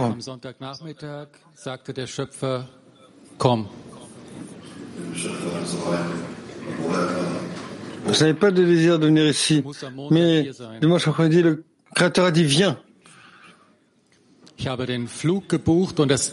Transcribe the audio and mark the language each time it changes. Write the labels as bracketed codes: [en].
[de] Am Sonntagnachmittag sagte der Schöpfer, komm. [fr] Je n'avais pas de désir de venir ici, mais dimanche après-midi, le Créateur a dit, viens. [de] Ich habe den Flug gebucht und das,